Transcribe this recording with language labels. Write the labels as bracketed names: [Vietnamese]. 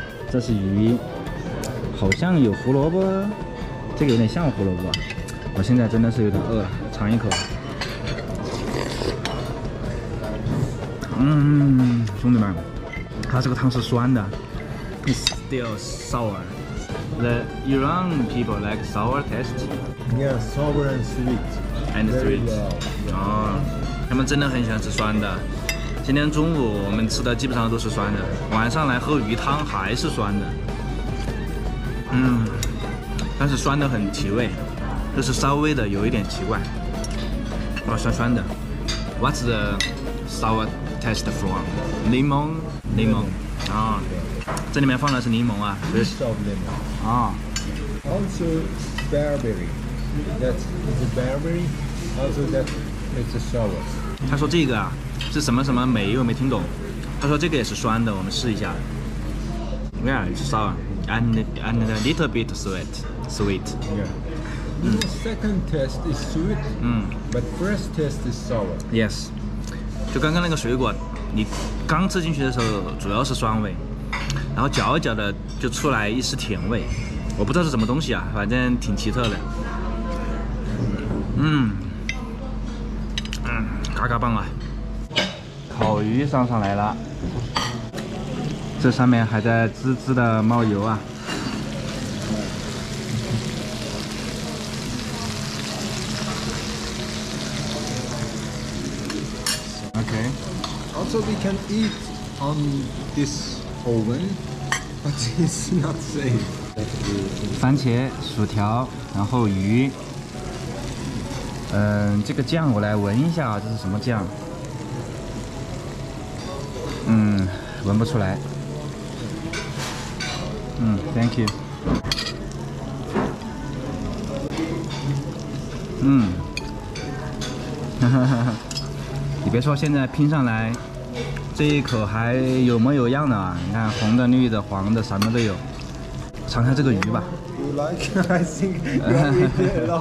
[Chinese] 这是鱼，好像有胡萝卜，这个有点像胡萝卜。我现在真的是有点饿了，尝一口。嗯，兄弟们，它这个汤是酸的。 [English] It's still sour. The Iran people like sour taste. Yeah, sour and sweet. And sweet. [Chinese] 啊、oh, ，他们真的很喜欢吃酸的。今天中午我们吃的基本上都是酸的，晚上来喝鱼汤还是酸的。嗯，但是酸的很提味，就是稍微的有一点奇怪。哇，酸酸的。 [English] What's the sour taste from? [Chinese] 柠檬，柠檬。啊、哦，对。这里面放的是柠檬啊。 [English] Piece of lemon. 啊。 Also barberry. That's the barberry. Also that it's sour. [Chinese] 他说这个啊。是什么什么梅？我没听懂。他说这个也是酸的，我们试一下。 [English] Yeah, it's sour and a little bit sweet. Sweet. Yeah. Second test is sweet. But first test is sour. Yes. [Chinese] 就刚刚那个水果，你刚吃进去的时候主要是酸味，然后嚼一嚼的就出来一丝甜味。我不知道是什么东西啊，反正挺奇特的。嗯。嗯，嘎嘎棒啊！烤鱼上来了，这上面还在滋滋的冒油啊。 [English] OK. Also, we can eat on this oven, but it's not safe. [Chinese] 番茄、薯条，然后鱼。嗯，这个酱我来闻一下啊，这是什么酱？嗯，闻不出来。 [English] 嗯 ，Thank you。 [Chinese] 嗯，哈哈哈，你别说，现在拼上来，这一口还有模有样的啊！你看，红的、绿的、黄的，什么都有。尝一下这个鱼吧。 [English] You like? I think you eat a lot of lemon.